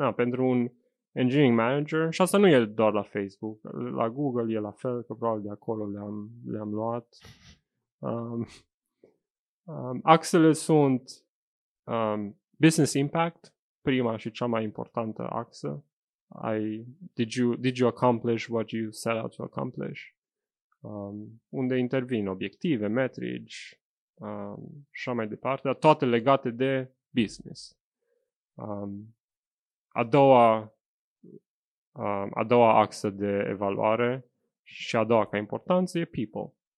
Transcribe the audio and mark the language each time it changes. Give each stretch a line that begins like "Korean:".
Romanian: Da, pentru un engineering manager, și asta nu e doar la Facebook, la Google e la fel, că probabil de acolo le-am luat. Axele sunt business impact, prima și cea mai importantă axă.
English: Did you accomplish what you set out to accomplish?
Romanian: Unde intervin obiective, metrici, și mai departe, dar toate legate de business. A doua axă de evaluare și a doua ca importanță e people.